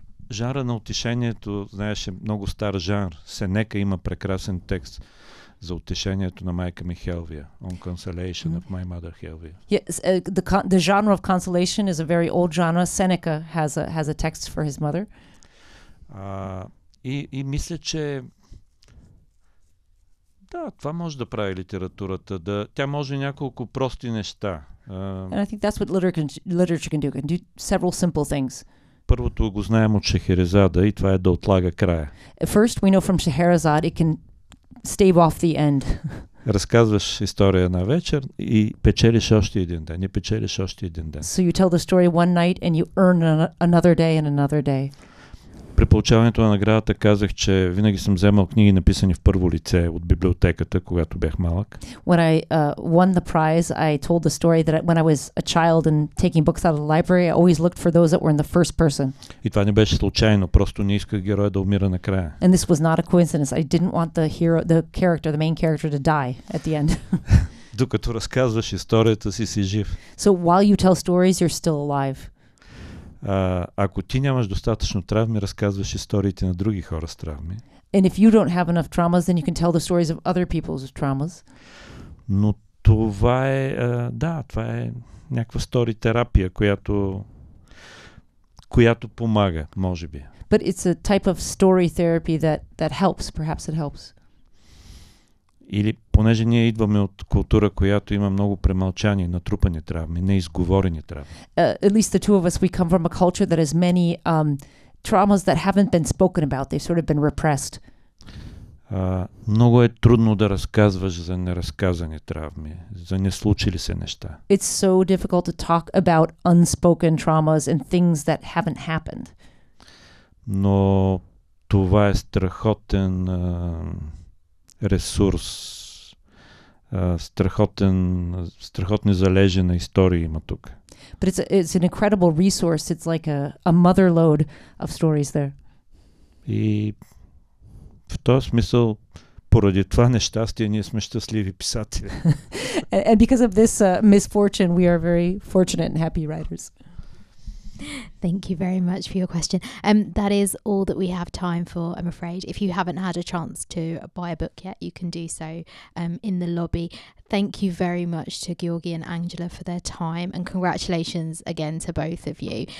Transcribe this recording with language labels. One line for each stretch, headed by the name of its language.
Bulgarian: Жанра на утешението, знаеш, е много стар жанр. Сенека има прекрасен текст за утешението на майка ми Хелвия.
English: On consolation of my mother Хелвия. Yes, the genre of consolation is a very old genre. Seneca has a text for his mother.
Bulgarian: И мисля, че да, това може да прави литературата. Да, тя може няколко прости неща.
English: And I think that's what literature can do. Can do several simple things.
Bulgarian: Първото го знаем от Шехерезада и това е да отлага края.
English: First we know from Scheherazade it can stave off the end.
Bulgarian: Разказваш история на вечер и печелиш още един ден. Не печелиш още един ден.
English: So you tell the story one night and you earn another day and another day.
Bulgarian: При получаването на наградата казах, че винаги съм вземал книги написани в първо лице от библиотеката, когато бях малък.
English: When I won the prize, I told the story that when I was a child and taking books out of the library, I always looked for those that were in the first person.
Bulgarian: И това не беше случайно, просто не исках героя да умира накрая.
English: And this was not a coincidence. I didn't want the hero, the character, the main character to die at the end.
Bulgarian: Докато разказваш историята си, си жив.
English: So while you tell stories, you're still alive.
Bulgarian: Ако ти нямаш достатъчно травми, разказваш историите на други хора с травми.
English: And if you don't have enough traumas, then you can tell the stories of other people's traumas.
Bulgarian: Но това е, да, това е някаква стори терапия, която помага, може би.
English: But it's a type of story therapy that helps, perhaps it helps.
Bulgarian: Или понеже ние идваме от култура, която има много премълчани, натрупани травми, неизговорени травми.
English: At least the two of us, we come from a culture that has many traumas that haven't been spoken about. They've sort of been repressed.
Bulgarian: Много е трудно да разказваш за неразказани травми, за неслучили се неща.
English: It's so difficult to talk about unspoken traumas and things that haven't happened.
Bulgarian: Но това е страхотен ресурс. Страхотни залежи на истории има тук.
English: But it's an incredible resource. It's like a mother load of stories there.
Bulgarian: И в този смисъл, поради това нещастие, ние сме щастливи писатели.
English: And because of this misfortune, we are very fortunate and happy writers. Thank you very much for your question. That is all that we have time for, I'm afraid. If you haven't had a chance to buy a book yet, you can do so in the lobby. Thank you very much to Georgi and Angela for their time, and congratulations again to both of you.